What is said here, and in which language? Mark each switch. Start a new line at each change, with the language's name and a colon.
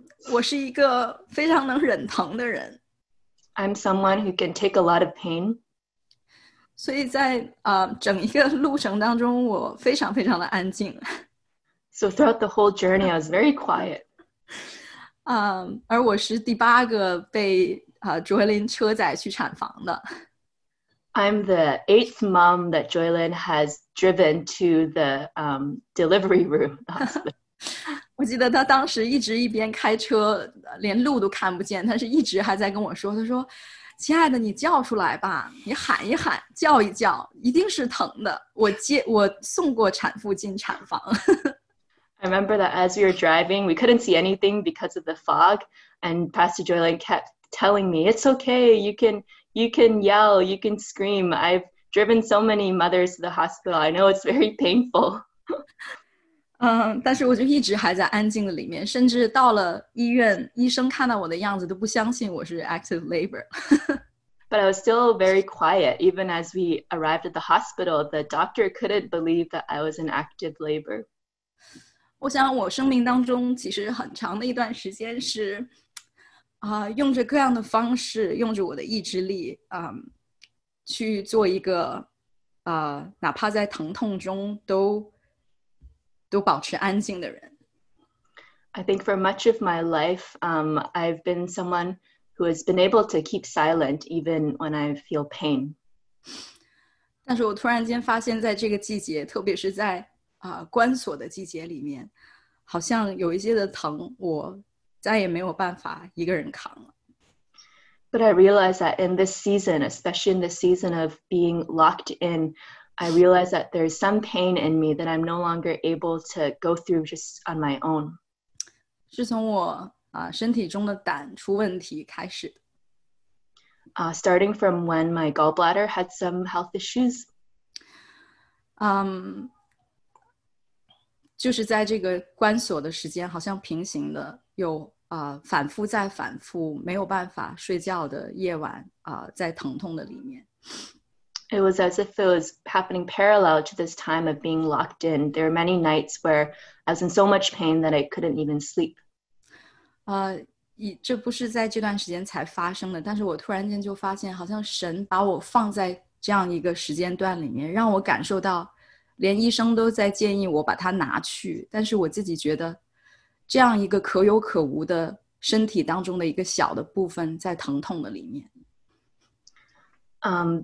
Chinese: 我是一个非常能忍疼的人。
English: I'm someone who can take a lot of pain.
Chinese: 所以在整一个路程当中我非常非常的安静。
English: So throughout the whole journey, I was very quiet.
Chinese: 而我是第八个被Joylin 车载去产房的。
English: I'm the eighth mom that Joylin has driven to the delivery room.
Chinese: 我记得她当时一直一边开车，连路都看不见，但是一直还在跟我说，她说，亲爱的，你叫出来吧，你喊一喊，叫一叫，一定是疼的。我送过产妇进产房。
English: I remember that as we were driving, we couldn't see anything because of the fog, and Pastor Joylin kept telling me, it's okay, you can yell, you can scream. I've driven so many mothers to the hospital. I know it's very painful.
Chinese: 但是我就一直还在安静的里面，甚至到了医院，医生看到我的样子都不相信我是
English: active labor. But I was still very quiet. Even as we arrived at the hospital, the doctor couldn't believe that I was in active labor.
Chinese: 我想我生命当中其实很长的一段时间是用着各样的方式，用着我的意志力，去做一个，哪怕在疼痛中都保持安静的人。
English: I think for much of my life, I've been someone who has been able to keep silent even when I feel pain.
Chinese: 但是我突然间发现，在这个季节，特别是在关锁的季节里面，好像有一些的疼，我再也没有办法一个人扛了。
English: But I realize that in this season, especially in the season of being locked in, I realize that there's some pain in me that I'm no longer able to go through just on my own.
Chinese: 是从我身体中的胆出问题开始。
English: Starting from when my gallbladder had some health issues.
Chinese: 就是在这个关锁的时间好像平行的有反复再反复没有办法睡觉的夜晚在疼痛的里面。
English: It was as if it was happening parallel to this time of being locked in. There were many nights where I was in so much pain that I couldn't even sleep.
Chinese: 这不是在这段时间才发生的，但是我突然间就发现好像神把我放在这样一个时间段里面，让我感受到连医生都在建议我把它拿去，但是我自己觉得这样一个可有可无的身体当中的一个小的部分在疼痛的里面。